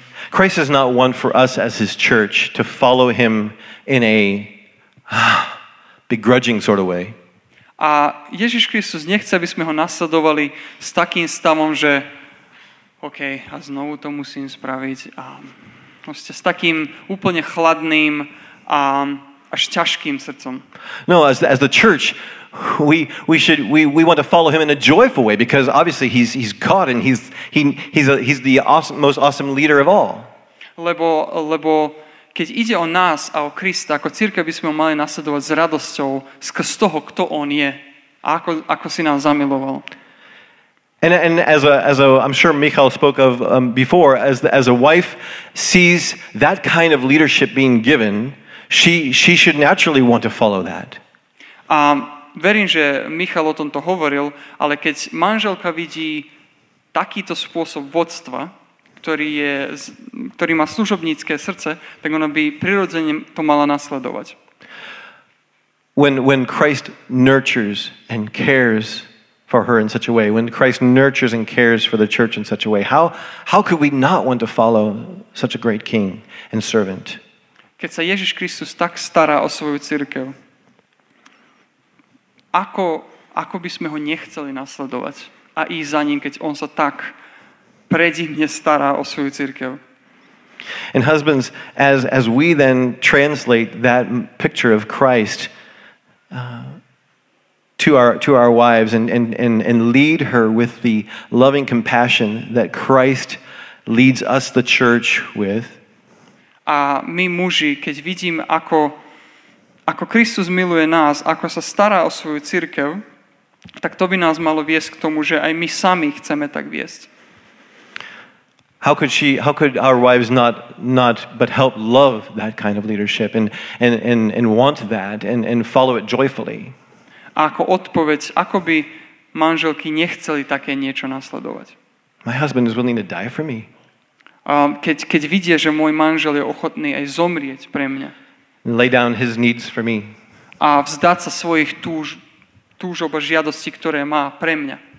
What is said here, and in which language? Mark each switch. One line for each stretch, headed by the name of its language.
English: Christ does not want for us as his church to follow him in a begrudging sort of way.
Slovak: A Ježiš Kristus nechce, aby sme ho nasledovali s takým stavom, že okay, a znovu to musím spraviť. A proste s takým úplne chladným až ťažkým srdcom.
English: No, as the church, we want to follow him in a joyful way because obviously he's God and he's the awesome, most awesome leader of all.
Slovak: Lebo keď ide o nás a o Krista, ako cirkev by sme ho mali nasledovať s radosťou skrz toho, kto on je a ako si nás zamiloval.
English: And as a I'm sure Michal spoke of before, as a wife sees that kind of leadership being given, she should naturally want to follow that.
Slovak: Verím, že Michal o tomto hovoril, ale keď manželka vidí takýto spôsob vodstva, ktorý má služobnícke srdce, tak ona by prirodzene to mala nasledovať.
English: When Christ nurtures and cares for her in such a way, when Christ nurtures and cares for the church in such a way, how could we not want to follow such a great king and servant?
Slovak: Keď sa Ježiš Kristus tak stará o svoju cirkev, ako by sme ho nechceli nasledovať a ísť za ním, keď on sa tak predivne stará o svoju cirkev.
English: And husbands, as we then translate that picture of Christ to our wives and lead her with the loving compassion that Christ leads us the church with.
Slovak: A my muži, keď vidím, ako Kristus miluje nás, ako sa stará o svoju cirkev, tak to by nás malo viesť k tomu, že aj my sami chceme tak viesť.
English: How could our wives not but help love that kind of leadership and want that and follow it joyfully?
Slovak: A ako odpoveď, ako by manželky nechceli také niečo nasledovať?
English: My husband is willing to die for me.
Slovak: Keď vidie, že môj manžel je ochotný aj zomrieť pre mňa.
English: Lay down his needs for me.
Slovak: A vzdať sa svojich túžob a žiadostí, ktoré má pre mňa.